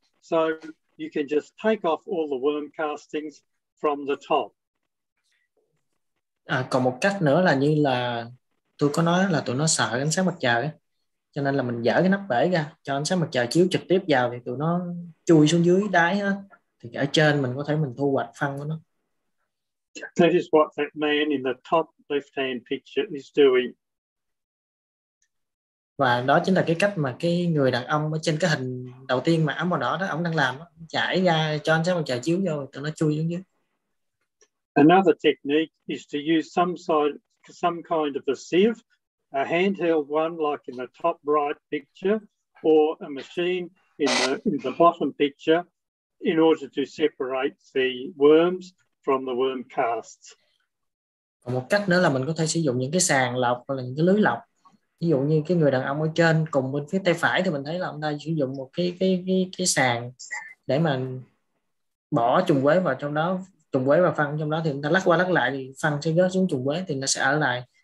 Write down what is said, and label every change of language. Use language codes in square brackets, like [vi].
[en] So you can just take off all the worm castings from the top. [vi] À, còn một cách nữa là như là tôi có nói là tụi nó sợ ánh sáng mặt trời. Cho nên là mình dỡ cái nắp bể ra, cho ánh sáng mặt trời chiếu trực tiếp vào thì tụi nó chui xuống dưới đáy hết. Thì ở trên mình có thể mình thu hoạch phân của nó. [en] That is what that man in the top left-hand picture is doing. [vi] Và đó chính là cái cách mà cái người đàn ông ở trên cái hình đầu tiên mà áo màu đỏ đó, ông đang làm, chảy ra cho ánh sáng mặt trời chiếu vô thì nó chui xuống dưới. [en] Another technique is to use some kind of a sieve, a handheld one like in the top right picture, or a machine in the bottom picture, in order to separate the worms from the worm casts. [vi] Còn một cách nữa là mình có thể sử dụng những cái sàng lọc hoặc là những cái lưới lọc. Ví dụ như cái người đàn ông ở trên cùng bên phía tay phải thì mình thấy là ông đang sử dụng một cái sàng để mà bỏ trùng quế vào trong đó, trùng quế và phân trong đó, thì người ta lắc qua lắc lại thì phân sẽ rớt xuống trùng quế thì nó sẽ ở lại.